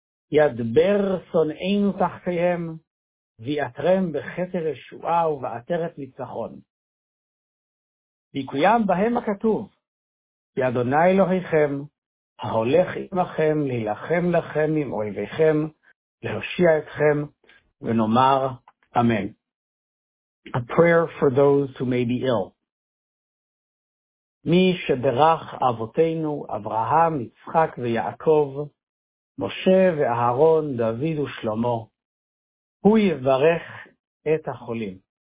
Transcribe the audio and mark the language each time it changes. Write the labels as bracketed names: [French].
[Hebrew] ידבר שונאינו תחתיהם ויאתרם בכתר ישועה ובעטרת ניצחון. ויקוים בהם הכתוב, כי אדוני אלוהיכם, ההולך עמכם להילחם לכם עם אויביכם, להושיע אתכם, ונאמר אמן. [English] A prayer for those who may be ill. [Hebrew] מי שברך אבותינו, אברהם, יצחק ויעקב, משה ואהרון, דוד ושלמה, הוא יברך את החולים.